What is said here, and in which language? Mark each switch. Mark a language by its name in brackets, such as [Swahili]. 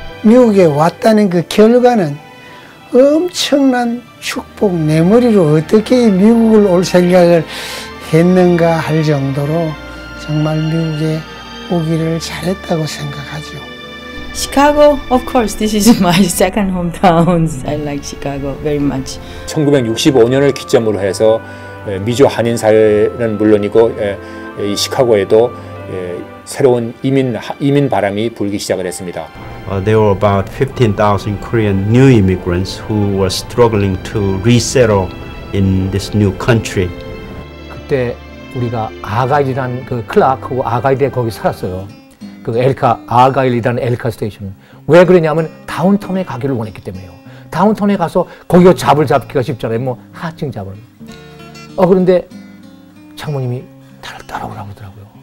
[Korean] 미국에 왔다는 그 결과는 엄청난 축복, 내 머리로 어떻게 미국을 올 생각을 했는가 할 정도로 정말 미국에 오기를 잘했다고 생각하죠. [English] Chicago, of course, this is my second hometown. I like Chicago very much. [Korean] 1965년을 기점으로 해서 미주 한인 사회는 물론이고 이 시카고에도 새로운 이민 바람이 불기 시작을 했습니다. [English] There were about 15,000 Korean new immigrants who were struggling to resettle in this new country. [Korean] 그때 우리가 아가일이란 그 클라크하고 아가일에 거기 살았어요. 그 엘카 아가일이라는 엘카 스테이션. 왜 그러냐면 다운타운에 가기를 원했기 때문에요. 다운타운에 가서 거기서 잡을 잡기가 쉽잖아요. 뭐 하층 잡을. 그런데 장모님이 나를 따라오라고 하더라고요.